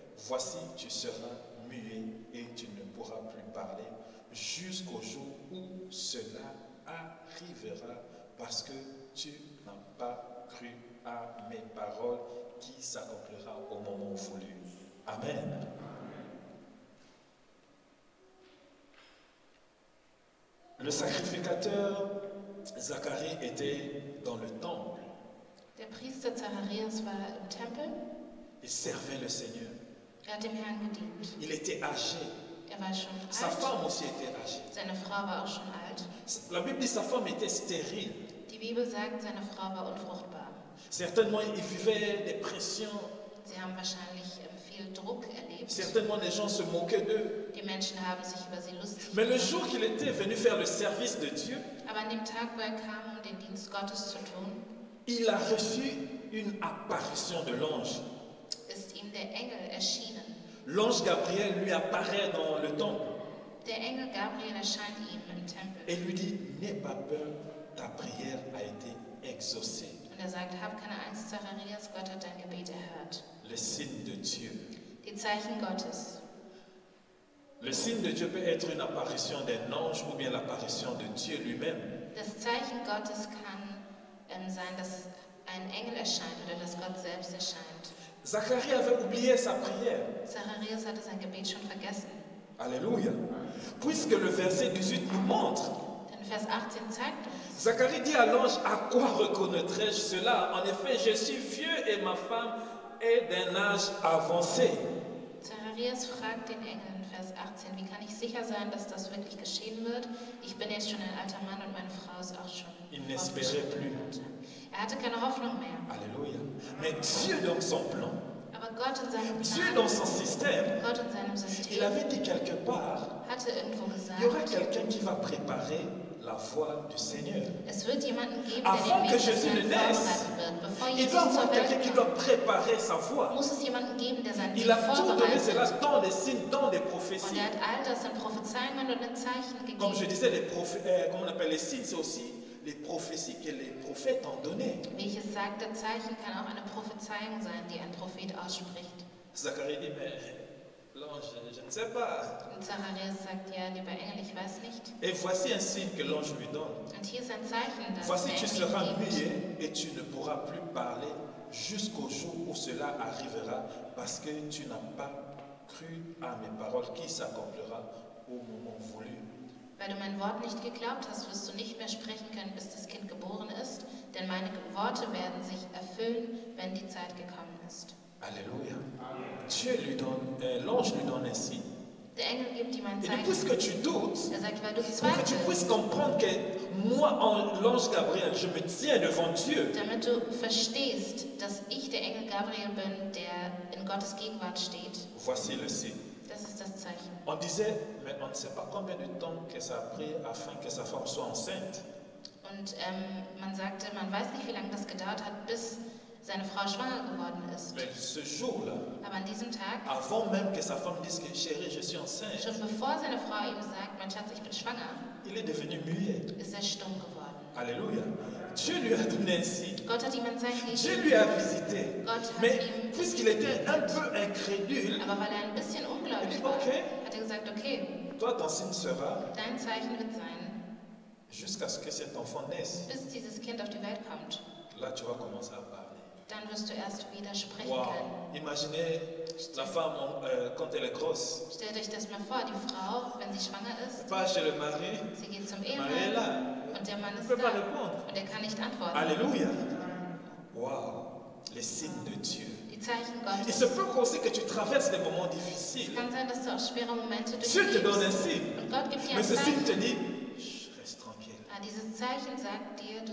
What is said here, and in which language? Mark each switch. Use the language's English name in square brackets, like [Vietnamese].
[French] Voici, tu seras muet et tu ne pourras plus parler jusqu'au jour où cela arrivera parce que tu n'as pas cru à mes paroles qui s'accomplira au moment voulu. Amen. » Le sacrificateur Zacharie était dans le temple. [German] Der Priester Zacharias war im Tempel. [French] Il servait le Seigneur. [German] Er hat dem Herrn gedient. [French] Il était âgé. [German] Er war schon [French] sa [German] alt. [French] Femme aussi était âgée. [German] Seine Frau war auch schon alt. [French] La Bible dit sa femme était stérile. [German] Die Bibel sagt, seine Frau war unfruchtbar. [French] Certainement, il vivait des pressions. [German] Sie haben wahrscheinlich viel Druck erlebt. [French] Certainement, les gens se moquaient d'eux. [German] Die Menschen haben sich über sie lustig. [French] Mais le jour qu'il était venu faire le service de Dieu, [German] aber an dem Tag, wo er kam, um den Dienst Gottes zu tun, [French] Il a reçu une apparition de l'ange. [German] Ist ihm der Engel erschienen. [French] L'ange Gabriel lui apparaît dans le temple. [German] Der Engel Gabriel erscheint ihm im Tempel. [French] Et lui dit, n'aie pas peur, ta prière a été exaucée. [German] Und sagt, hab keine Angst, Zacharias, Gott hat dein Gebet erhört. [French] Le signe de Dieu. [German] Die Zeichen Gottes. [French] Le signe de Dieu peut être une apparition d'un ange ou bien l'apparition de Dieu lui-même. [German] Das Zeichen Gottes kann sein, dass ein Engel erscheint oder dass Gott selbst erscheint. [French] Zacharias avait oublié sa prière. [German] Zacharias hatte sein Gebet schon vergessen. [French] Alléluia. Puisque le verset 18 nous montre. [German] Denn Vers 18 zeigt uns. [French] Zacharie dit à l'ange, à quoi reconnaîtrais-je cela? En effet, je suis vieux et ma femme est d'un âge avancé. [German] Zacharias fragt den Engel in Vers 18, wie kann ich sicher sein, dass das wirklich geschehen wird? Ich bin jetzt schon ein alter Mann und meine Frau ist auch schon. [French] Il n'espérait plus. [German] Er hatte keine Hoffnung mehr. [French] Alléluia. Mais Dieu dans son plan. [German] Aber Gott in seinem Plan. [French] Dieu dans son système. [German] Gott in seinem System. [French] Il avait dit quelque part. [German] Hatte irgendwo gesagt. [French] Il y aura quelqu'un qui va préparer la voie du Seigneur. [German] Es wird jemanden geben, der den Weg des Herrn vorbereiten wird. [French] Il doit avoir quelqu'un qui doit préparer sa voie. [German] Muss es jemanden geben, der seinen [French] Il [German] Weg vorbereitet. [French] Il a tout donné, cela, tant de signes, tant de prophéties. [German] Und er hat all das in Prophezeiungen und in Zeichen gegeben. [French] Comme je disais, les comment on appelle les signes, c'est aussi les prophéties que les prophètes ont données. [German] Wie ich es sagte, Zeichen kann auch eine Prophezeiung sein, die ein Prophet ausspricht. [French] Zacharie dit, mais l'ange, je ne sais pas. [German] Und Zacharias sagt, ja, lieber Engel, ich weiß nicht. [French] Et voici un signe que l'ange lui donne. [German] Und hier ist ein Zeichen, das [French] voici, tu seras muet et tu ne pourras plus parler jusqu'au jour où cela arrivera, parce que tu n'as pas cru à mes paroles qui s'accomplira au moment voulu. [German] Weil du mein Wort nicht geglaubt hast, wirst du nicht mehr sprechen können, bis das Kind geboren ist. Denn meine Worte werden sich erfüllen, wenn die Zeit gekommen ist. [French] Alléluia. Dieu lui donne, l'ange lui donne un signe. [German] Der Engel gibt ihm ein Zeichen. [French] Et puisque tu doutes, [German] er sagt, weil du zweifelst, [French] pour que tu puisses comprendre que moi, l'ange Gabriel, je me tiens devant Dieu. [German] Damit du verstehst, dass ich der Engel Gabriel bin, der in Gottes Gegenwart steht. [French] Voici le signe. [German] Das ist das Zeichen. [French] On disait, mais on ne sait pas combien de temps que ça a pris afin que sa femme soit enceinte. [German] Und man sagte, man weiß nicht, wie lange das gedauert hat, bis seine Frau schwanger geworden ist. [French] Mais ce jour-là, [German] aber an diesem Tag, [French] avant même que sa femme dise que chérie, je suis enceinte, [German] schon bevor seine Frau ihm sagt, mein Schatz, ich bin schwanger, [French] il est devenu muet. [German] Ist er stumm geworden. [French] Alléluia. Dieu lui a donné un signe. [German] Gott hat ihm ein Zeichen gegeben. [French] Dieu lui a visité. [German] Gott hat [French] mais [German] ihm [French] puisqu'il était un peu incrédule, [German] aber weil er ein bisschen ungläubig [French] dit, okay, [German] war, hat er gesagt, okay, [French] toi, ton signe sera, [German] dein Zeichen wird sein, [French] jusqu'à ce que cet enfant naisse, [German] bis dieses Kind auf die Welt kommt. [French] Là, tu vas commencer à parler. [German] Dann wirst du erst wieder sprechen wow können. [French] Imaginez la femme, quand elle est grosse. [German] Stellt euch das mal vor, die Frau, wenn sie schwanger ist. [French] Pas chez le mari. [German] Sie geht zum Ehemann. Und der Mann ist da. Und er kann nicht antworten. [French] Alléluia. Wow. Les signes de Dieu. [German] Die Zeichen Gottes. [French] Il se peut aussi que tu traverses des moments difficiles. [German] Es kann sein, dass du auch schwere Momente [French] durchlebst. Dieu te donne un signe. [German] Und Gott gibt dir [French] mais [German] ein Zeichen. [French] Mais ce signe te dit, reste tranquille. [German] Ah, dieses Zeichen sagt dir, du